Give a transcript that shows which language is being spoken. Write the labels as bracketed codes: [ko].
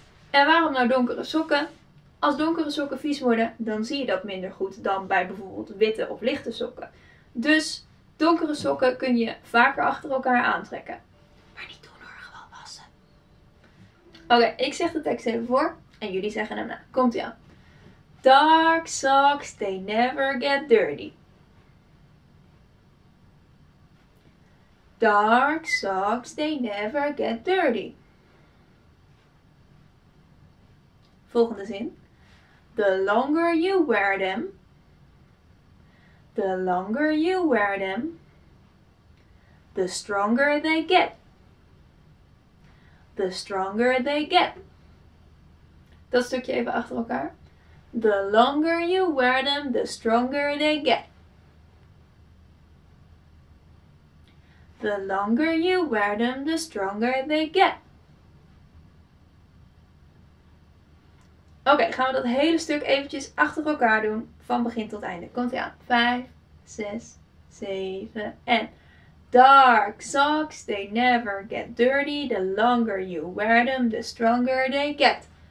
[nl] En waarom nou donkere sokken? Als donkere sokken vies worden, dan zie je dat minder goed dan bij bijvoorbeeld witte of lichte sokken. Dus donkere sokken kun je vaker achter elkaar aantrekken. Maar niet doen hoor, gewoon wassen. Oké, ik zeg de tekst even voor en jullie zeggen hem na. Komt ie aan. [en] Dark socks, they never get dirty. Dark socks, they never get dirty. [nl] Volgende zin. [en] The longer you wear them, the longer you wear them, the stronger they get. The stronger they get. [nl] Dat stukje even achter elkaar. [en] The longer you wear them, the stronger they get. The longer you wear them, the stronger they get. [nl] Oké, gaan we dat hele stuk eventjes achter elkaar doen, van begin tot einde. Komt ie aan. 5, 6, 7 en... [en] Dark socks, they never get dirty. The longer you wear them, the stronger they get.